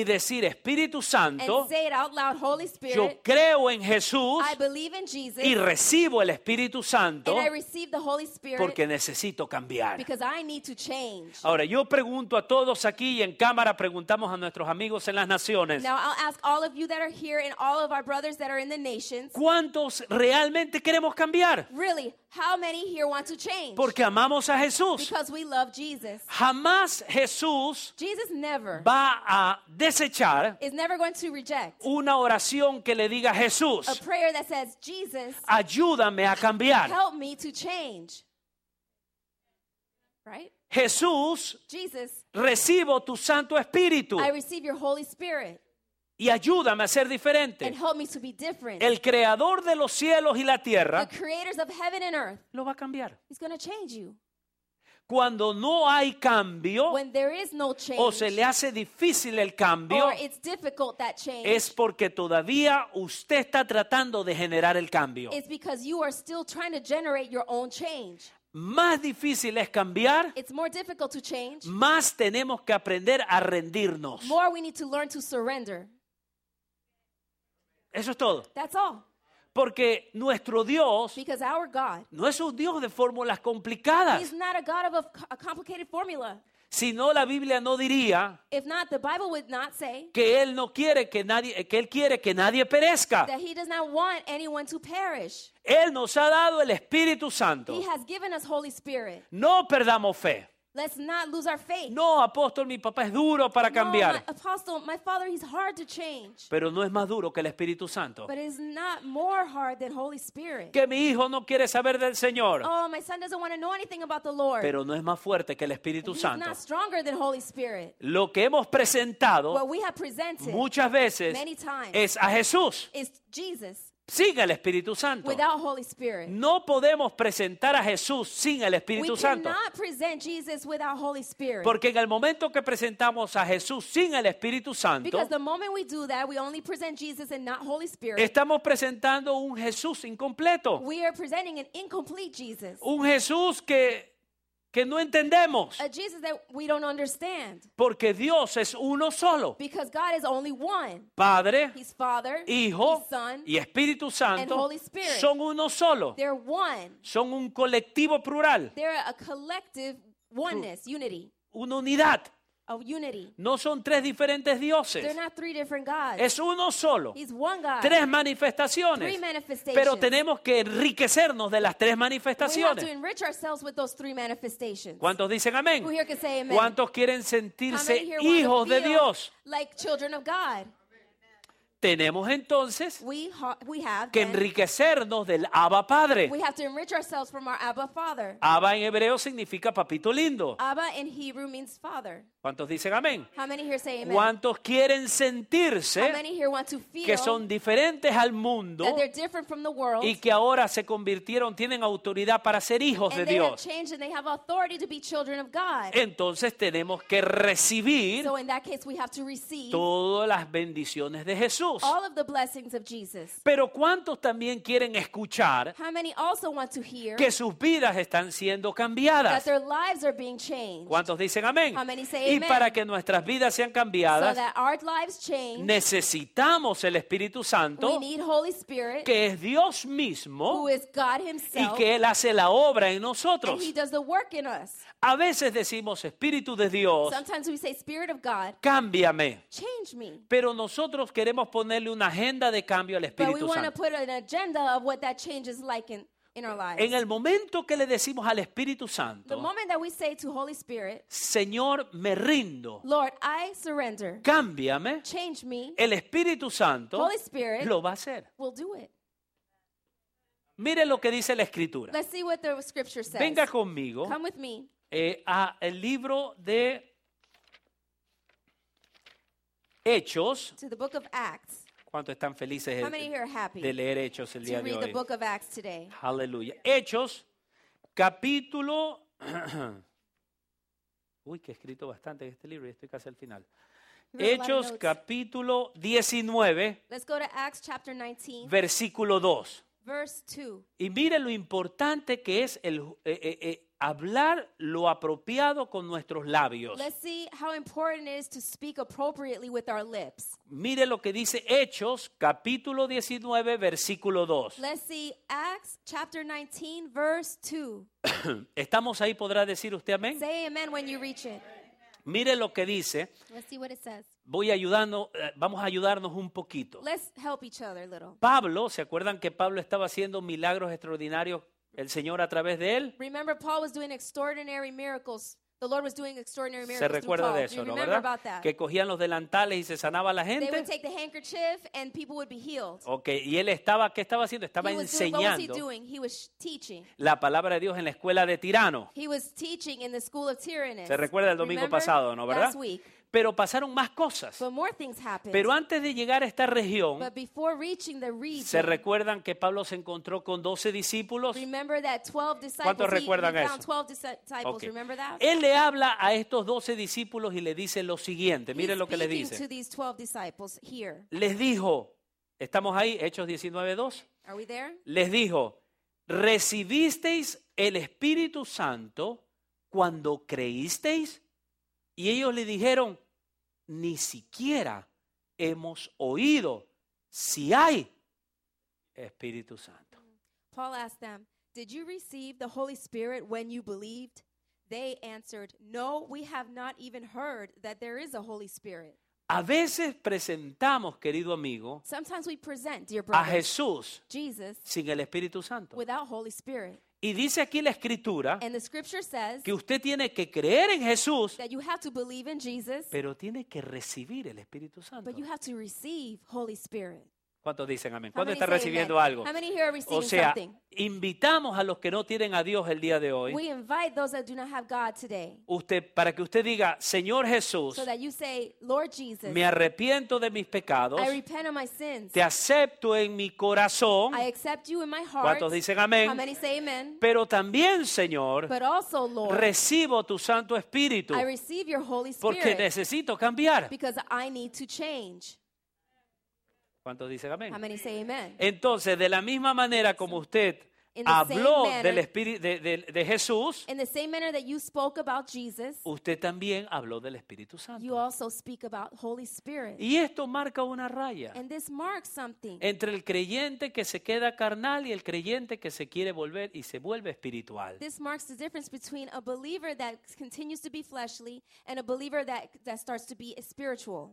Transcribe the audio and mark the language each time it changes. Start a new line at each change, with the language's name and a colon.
Spanish: y decir Espíritu Santo.
English: And say it out loud, Holy Spirit,
Spanish: yo creo en Jesús.
English: I believe in Jesus,
Spanish: y recibo el Espíritu Santo.
English: And I receive the Holy Spirit
Spanish: porque necesito cambiar.
English: Because I need to change.
Spanish: Ahora yo pregunto a todos aquí y en cámara preguntamos a nuestros amigos en las naciones.
English: Now I'll ask all of you that are here and all of our brothers that are in the nations.
Spanish: ¿Cuántos realmente queremos cambiar?
English: Really, how many here want to change?
Spanish: Porque amamos a Jesús.
English: Because we love Jesus.
Spanish: Jamás Jesús
English: Jesus never
Spanish: va a desechar
English: is never going to reject
Spanish: una oración que le diga Jesús.
English: A prayer that says, Jesus,
Spanish: ayúdame a cambiar.
English: Help me to change. Right?
Spanish: Jesús,
English: Jesus,
Spanish: recibo tu Santo Espíritu.
English: I receive your Holy Spirit.
Spanish: Y ayúdame a ser diferente.
English: And help me to be different.
Spanish: El creador de los cielos y la tierra
English: the creators of heaven and earth
Spanish: lo va a cambiar.
English: He's going to change you.
Spanish: Cuando no hay cambio,
English: when there is no change,
Spanish: o se le hace difícil el cambio,
English: or it's difficult, that change,
Spanish: es porque todavía usted está tratando de generar el cambio.
English: It's because you are still trying to generate your own change.
Spanish: Más difícil es cambiar,
English: it's more difficult to change,
Spanish: más tenemos que aprender a rendirnos.
English: More we need to learn to surrender.
Spanish: Eso es todo.
English: That's all.
Spanish: Porque nuestro Dios,
English: because our God,
Spanish: no es un Dios de fórmulas complicadas.
English: He's not a God of a complicated formula.
Spanish: Si no, la Biblia no diría,
English: if not, the Bible would not say,
Spanish: que Él no quiere que nadie, que Él quiere que nadie perezca.
English: That He does not want anyone to perish.
Spanish: Él nos ha dado el Espíritu Santo.
English: He has given us Holy Spirit.
Spanish: No perdamos fe.
English: Let's not lose our faith.
Spanish: No, apóstol, mi papá es duro para cambiar.
English: No, apostle, my father, he's hard to change.
Spanish: Pero no es más duro que el Espíritu Santo.
English: But it's not more hard than Holy Spirit.
Spanish: Que mi hijo no quiere saber del Señor.
English: Oh, my son doesn't want to know anything about the Lord.
Spanish: Pero no es más fuerte que el Espíritu Santo.
English: He's not stronger than Holy Spirit.
Spanish: Lo que hemos presentado,
English: what we have presented,
Spanish: muchas veces,
English: many times,
Spanish: es a Jesús.
English: Is Jesus.
Spanish: Sin el Espíritu Santo.
English: Without Holy Spirit.
Spanish: No podemos presentar a Jesús sin el Espíritu
English: we
Spanish: Santo.
English: Cannot present Jesus without Holy Spirit.
Spanish: Porque en el momento que presentamos a Jesús sin el Espíritu Santo,
English: because the moment we do that, we only present Jesus and not Holy Spirit.
Spanish: Estamos presentando un Jesús incompleto.
English: We are presenting an incomplete Jesus.
Spanish: Un Jesús que no entendemos.
English: A Jesus that we don't understand.
Spanish: Porque Dios es uno solo.
English: Because God is only one.
Spanish: Padre,
English: He's Father,
Spanish: Hijo,
English: He's Son,
Spanish: y Espíritu Santo,
English: and Holy Spirit.
Spanish: Son uno solo.
English: They're one.
Spanish: Son un colectivo plural.
English: They're a collective oneness, unity.
Spanish: Una unidad.
English: Of unity.
Spanish: No son tres diferentes dioses.
English: They're not three different gods.
Spanish: Es uno solo.
English: He's one God.
Spanish: Tres manifestaciones.
English: Three manifestations.
Spanish: Pero tenemos que enriquecernos de las tres manifestaciones.
English: We have to enrich ourselves with those three manifestations.
Spanish: ¿Cuántos dicen amén?
English: Who here can say amen?
Spanish: ¿Cuántos quieren sentirse hijos de Dios?
English: Like children of God.
Spanish: Tenemos entonces
English: we have
Spanish: que enriquecernos del Abba Padre.
English: We have to enrich ourselves from our Abba Father.
Spanish: Abba en hebreo significa papito lindo.
English: Abba in Hebrew means father.
Spanish: ¿Cuántos dicen amén?
English: How many here say amen?
Spanish: ¿Cuántos quieren sentirse?
English: How many here want to feel
Spanish: que son diferentes al mundo,
English: that they're different from the world,
Spanish: y que ahora se convirtieron, tienen autoridad para ser hijos
English: and
Spanish: de
English: they
Spanish: Dios?
English: Have changed and they have authority to be children of God.
Spanish: Entonces tenemos que recibir,
English: so in that case we have to receive,
Spanish: todas las bendiciones de Jesús.
English: All of the blessings of Jesus.
Spanish: Pero ¿cuántos también quieren escuchar?
English: How many also want to hear
Spanish: que sus vidas están siendo cambiadas?
English: That their lives are being changed.
Spanish: ¿Cuántos dicen amén?
English: How many say
Spanish: y
English: amen?
Spanish: Para que nuestras vidas sean cambiadas,
English: so that our lives change,
Spanish: necesitamos el Espíritu Santo,
English: we need Holy Spirit,
Spanish: que es Dios mismo,
English: who is God himself,
Spanish: y que Él hace la obra en nosotros.
English: And he does the work in us.
Spanish: A veces decimos Espíritu de Dios,
English: sometimes we say Spirit of God,
Spanish: cámbiame,
English: change me.
Spanish: Pero nosotros queremos ponerle una agenda de cambio al Espíritu
English: Santo. But we want to put an agenda of what that change is like in our lives.
Spanish: En el momento que le decimos al Espíritu Santo,
English: the moment that we say to Holy Spirit,
Spanish: Señor, me rindo,
English: Lord, I surrender,
Spanish: cámbiame,
English: change me,
Spanish: el Espíritu Santo,
English: Holy Spirit,
Spanish: lo va a hacer.
English: Will do it.
Spanish: Mire lo que dice la Escritura.
English: Let's see what the Scripture says.
Spanish: Venga conmigo.
English: Come with me.
Spanish: A el libro de Hechos.
English: To the book of Acts.
Spanish: ¿Cuántos están felices de leer Hechos el día de hoy?
English: The book of Acts today.
Spanish: Aleluya. Hechos, capítulo. Uy, que he escrito bastante en este libro y estoy casi al final. Hechos, capítulo 19.
English: Let's go to Acts chapter 19.
Spanish: Versículo 2.
English: Verse 2.
Spanish: Y mire lo importante que es el hablar lo apropiado con nuestros labios.
English: Let's see how important it is to speak appropriately with our lips.
Spanish: Mire lo que dice Hechos, capítulo 19, versículo 2.
English: Let's see Acts chapter 19, verse 2.
Spanish: ¿Estamos ahí? ¿Podrá decir usted amén?
English: Say amen when you reach it.
Spanish: Mire lo que dice.
English: Let's see what it says.
Spanish: Vamos a ayudarnos un poquito.
English: Let's help each other a little.
Spanish: Pablo, ¿se acuerdan que Pablo estaba haciendo milagros extraordinarios el Señor a través de él?
English: Remember Paul was doing extraordinary miracles. The Lord was doing extraordinary miracles.
Spanish: Se recuerda de eso, ¿no? ¿Verdad? Que cogían los delantales y se sanaba a la gente.
English: They would take the handkerchief and people would be healed.
Spanish: Okay, y él estaba, ¿qué estaba haciendo? Estaba enseñando.
English: What was he doing? He was teaching.
Spanish: La palabra de Dios en la escuela de Tirano.
English: He was teaching in the school of Tyrannus.
Spanish: Se recuerda el domingo pasado, ¿no? ¿Verdad?
English: Last week.
Spanish: Pero pasaron más cosas.
English: But more things happened.
Spanish: Pero antes de llegar a esta región,
English: but before reaching the region,
Spanish: ¿se recuerdan que Pablo se encontró con 12 discípulos?
English: Remember that 12 disciples.
Spanish: ¿Cuántos recuerdan
English: he
Spanish: eso?
English: Found 12 disciples. Okay. Remember that?
Spanish: Él le habla a estos 12 discípulos y le dice lo siguiente. Miren
English: He's
Spanish: lo que le dice.
English: To these 12 disciples here.
Spanish: Les dijo, ¿estamos ahí? Hechos 19:2.
English: Are we there?
Spanish: Les dijo, ¿recibisteis el Espíritu Santo cuando creísteis? Y ellos le dijeron, ni siquiera hemos oído si hay Espíritu Santo.
English: Paul asked them, did you receive the Holy Spirit when you believed? They answered, no, we have not even heard that there is a Holy Spirit.
Spanish: A veces presentamos, querido amigo,
English: sometimes we present, dear brother,
Spanish: a Jesús,
English: Jesus,
Spanish: sin el Espíritu Santo.
English: Without Holy Spirit.
Spanish: Y dice aquí la Escritura,
English: and the scripture says,
Spanish: que usted tiene que creer en Jesús,
English: that you have to believe in Jesus,
Spanish: pero tiene que recibir el Espíritu Santo.
English: But you have to receive Holy Spirit.
Spanish: ¿Cuántos dicen amén? ¿Cuántos están recibiendo algo?
English: How many here are receiving
Spanish: o sea,
English: something?
Spanish: Invitamos a los que no tienen a Dios el día de hoy.
English: We invite those that do not have God today.
Spanish: Usted, para que usted diga, Señor Jesús,
English: so that you say, Lord Jesus,
Spanish: me arrepiento de mis pecados,
English: I repent of my sins,
Spanish: te acepto en mi corazón.
English: I accept you in my heart.
Spanish: ¿Cuántos dicen amén?
English: How many say amen?
Spanish: Pero también, Señor,
English: but also, Lord,
Spanish: recibo tu Santo Espíritu,
English: I receive your Holy Spirit,
Spanish: porque necesito cambiar.
English: Because I need to change.
Spanish: ¿Cuántos dicen amén?
English: How many say amen?
Spanish: Entonces, de la misma manera como usted habló del Espíritu de Jesús,
English: in the same manner that you spoke about Jesus,
Spanish: usted también habló del Espíritu Santo.
English: You also speak about Holy Spirit.
Spanish: Y esto marca una raya.
English: And this marks something.
Spanish: Entre el creyente que se queda carnal y el creyente que se quiere volver y se vuelve espiritual.
English: This marks the difference between a believer that continues to be fleshly and a believer that starts to be spiritual.